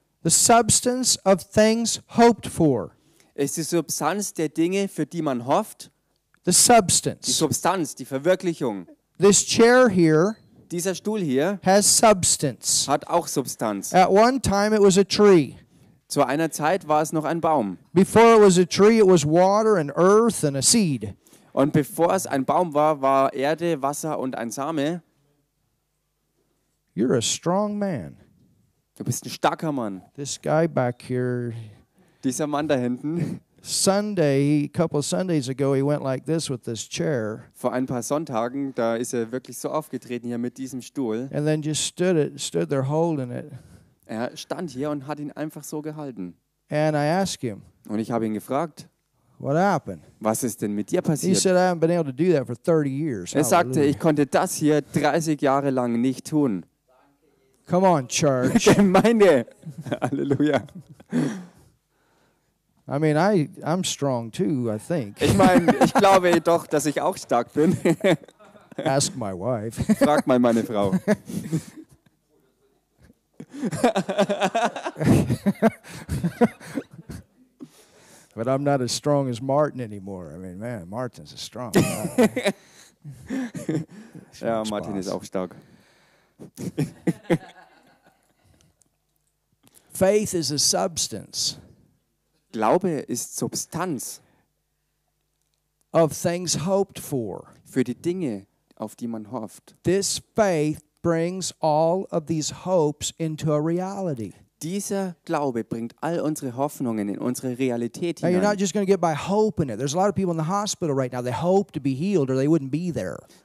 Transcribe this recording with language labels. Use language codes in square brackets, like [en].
[en] The substance of things hoped for. [de] Ist die Substanz der Dinge, für die man hofft. [en] The substance. [de] Die Substanz, die Verwirklichung. [en] This chair here. [de] Dieser Stuhl hier. [en] Has substance. [de] Hat auch Substanz. [en] At one time it was a tree. [de] Zu einer Zeit war es noch ein Baum. [en] Before it was a tree, it was water and earth and a seed. [de] Und bevor es ein Baum war, war Erde, Wasser und ein Same. [en] You're a strong man. [de] Du bist ein starker Mann. [en] This guy back here. [de] Dieser Mann da hinten. [en] Sunday, a couple of Sundays ago, he went like this with this chair. [de] Vor ein paar Sonntagen, da ist er wirklich so aufgetreten hier mit diesem Stuhl. [en] And then just stood there holding it. [de] Er stand hier und hat ihn einfach so gehalten. [en] And I asked him. [de] Und ich habe ihn gefragt. [en] What happened? [de] Was ist denn mit dir passiert? [en] He said, I haven't been able to do that for 30 years. [de] Er sagte, ich konnte das hier 30 Jahre lang nicht tun. [en] Come on, church. [de] Gemeinde. Halleluja. [en] I mean, I'm strong too, I think. [de] Ich meine, ich glaube doch, dass ich auch stark bin. [en] Ask my wife. [de] Frag mal meine Frau. [en] But I'm not as strong as Martin anymore. I mean, man, Martin's a strong guy. [de] Ja, Martin ist auch stark. [en] Faith is a substance. [de] Glaube ist Substanz. [en] Of things hoped for. [de] Für die Dinge, auf die man hofft. [en] This faith brings all of these hopes into a reality. [de] Dieser Glaube bringt all unsere Hoffnungen in unsere Realität hinein. [en] You're not just going to get by hope in it. There's a lot of people in the hospital right now. They hope to be healed or they wouldn't be there.